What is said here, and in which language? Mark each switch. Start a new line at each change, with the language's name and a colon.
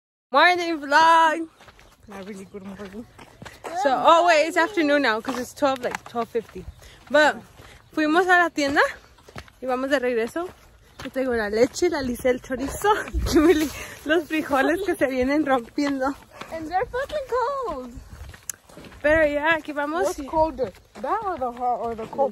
English: Morning vlog. Not really good morning. So, oh wait, it's afternoon now because it's 12:50.
Spanish: But fuimos a la tienda y vamos de regreso. Yo tengo la leche, la lice, el chorizo, los frijoles que se vienen rompiendo.
English: And they're fucking cold.
Spanish: Pero ya, aquí vamos.
English: What's colder, that or the hot or the cold?